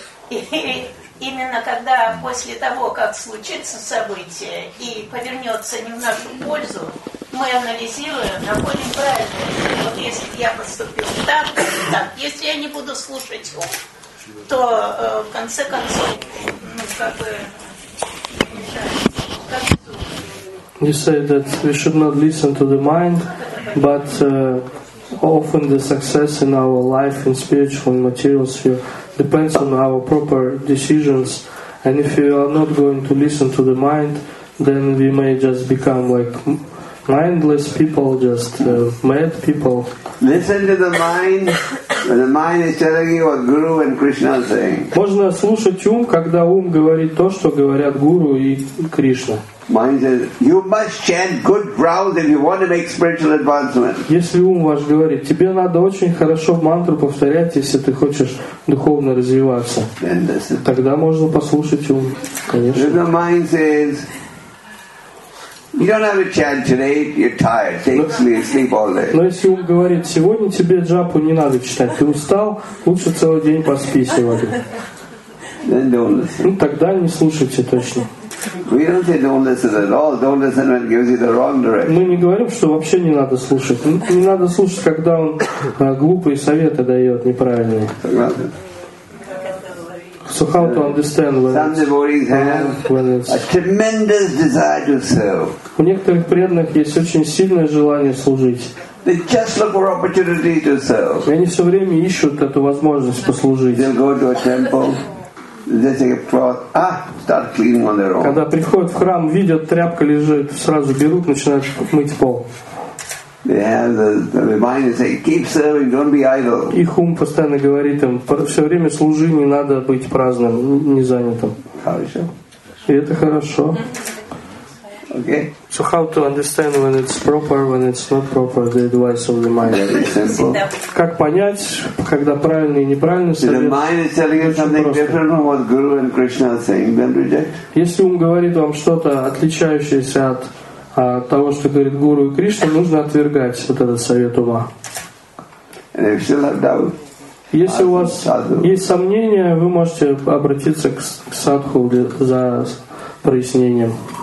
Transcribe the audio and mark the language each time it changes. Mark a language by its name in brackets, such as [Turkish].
[Russian] И именно когда после того, как случится событие и повернется не в нашу пользу, мы анализируем, находим правильное решение. Вот если я поступил так, так, если я не буду слушать ум, то в конце концов, ну, как бы, [English] you say that we should not listen to the mind, but often the success in our life, in spiritual and material sphere, depends on our proper decisions And if you are not going to listen to the mind, then we may just become like mindless people, just mad people. Listen to the mind. The mind is telling you what Guru and Krishna are saying. [Russian] Можно слушать ум, когда ум говорит то, что говорят Гуру и Кришна. [English] Mind says, you must chant good vows if you want to make spiritual advancement. [Russian] Если ум ваш говорит, тебе надо очень хорошо мантру повторять, если ты хочешь духовно развиваться. Тогда можно послушать ум, конечно. [English] The mind says, you don't have a chant today. You're tired. Take sleep all day. [Russian] Но если ум говорит, сегодня тебе джапу не надо читать, ты устал, лучше целый день поспи сегодня. [English] Then don't listen. [Russian] Тогда не слушайте точно. [English] We don't say don't listen at all. Don't listen when it gives you the wrong direction. [Russian] Мы не говорим, что вообще не надо слушать. Не надо слушать, когда он глупые советы дает неправильные. [English] So how to understand when some devotees have a tremendous desire to serve. [Russian] У некоторых преданных есть очень сильное желание служить. [English] They just look for opportunity to serve. [Russian] И они все время ищут эту возможность послужить. [English] They'll go to a temple. They take a cloth. Start cleaning on their own. [Russian] Когда приходят в храм, видят тряпка лежит, сразу берут, начинают мыть пол. [English] The mind is saying, keep serving, don't be idle. [Russian] Их ум постоянно говорит им, все время служи, не надо быть праздным, не занятым. Хорошо. И это хорошо. [English] Okay. So how to understand when it's proper, when it's not proper, the advice of the mind? Very simple. [Russian] Как понять, когда правильный и неправильный совет? [English] The mind is telling you something different from what Guru and Krishna are saying, then reject. [Russian] Если ум говорит вам что-то отличающееся от того, что говорит Гуру и Кришна, нужно отвергать вот этот совет ума. [English] And if you still have doubt, [Russian] если у вас есть сомнения, вы можете обратиться к садху за прояснением.